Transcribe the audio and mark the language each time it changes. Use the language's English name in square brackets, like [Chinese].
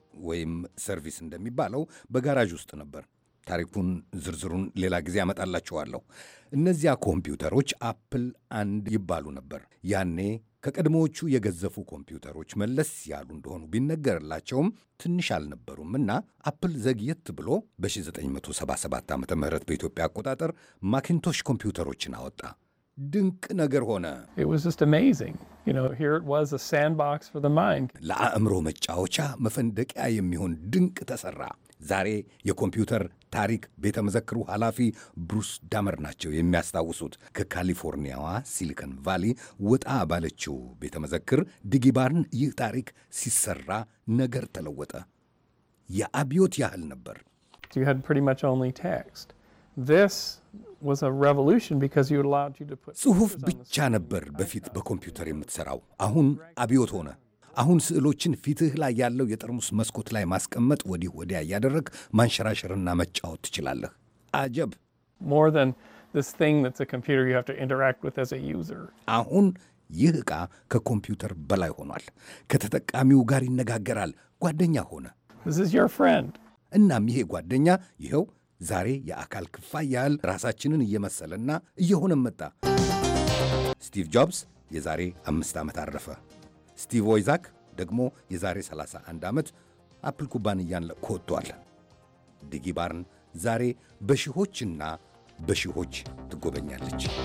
[Amharic] ወይም ሰርቪስ እንደሚባለው በጋራጅ ውስጥ ነበር። ታሪኩን ዝርዝሩን ሌላ ጊዜ አመጣላችኋለሁ። እነዚያ ኮምፒውተሮች አፕል 1 ይባሉ ነበር። ያኔ ከቀድሞዎቹ የገዘፉ ኮምፒውተሮች መለስ ያሉ እንደሆኑ ቢነገርላቸውም ትንሽ አልነበሩም እና አፕል ዘግየት ብሎ በ1977 ዓመተ ምህረት በኢትዮጵያ አቆጣጠር ማኪንቶሽ ኮምፒውተሮችን አወጣ። ድንቅ ነገር ሆነ። [English] It was just amazing. You know, here it was a sandbox for the mind. [Amharic] ለአእምሮ መጫወቻ መፈንደቂያ የሚሆን ድንቅ ተሰራ። ዛሬ የኮምፒውተር ታሪክ ቤተመዘክሩ ኃላፊ ብሩስ ዳመር ናቸው የሚያስታውሱት። ከካሊፎርኒያዋ ሲሊከን ቫሊ ወጣ ባለችው ቤተመዘክር ዲጊባርን ይህ ታሪክ ሲሰራ ነገር ተለወጠ። የአብዮት ያህል ነበር። [English] You had pretty much only text. This was a revolution because you allowed you to put [Amharic] ጽሑፍ ብቻ ነበር በፊት በኮምፒውተር የምትሰራው። አሁን አብዮት ሆነ። አሁን ስዕሎችን ፊትህ ላይ ያለው የጠርሙስ መስኮት ላይ ማስቀመጥ ወዲህ ወዲያ ያደረግ ማንሸራሸርና መጫወት ትችላለህ። አጀብ። [English] More than this thing that's a computer you have to interact with as a user. [Amharic] አሁን ይህ ዕቃ ከኮምፒውተር በላይ ሆኗል። ከተጠቃሚው ጋር ይነጋገራል። ጓደኛ ሆነ። [English] This is your friend. [Amharic] እና ይሄ ጓደኛ ይሄው ዛሬ የአካል ክፍያ ያህል ራሳችንን እየመሰለና እየሆነ መጣ። ስቲቭ ጆብስ የዛሬ 5 ዓመት አረፈ። ስቲቭ ወይዛክ ደግሞ የዛሬ 31 ዓመት አፕል ኩባንያን ለቆጥቷል። ዲጊባርን ዛሬ በሽሆችና በሽሆች ትጎበኛለች።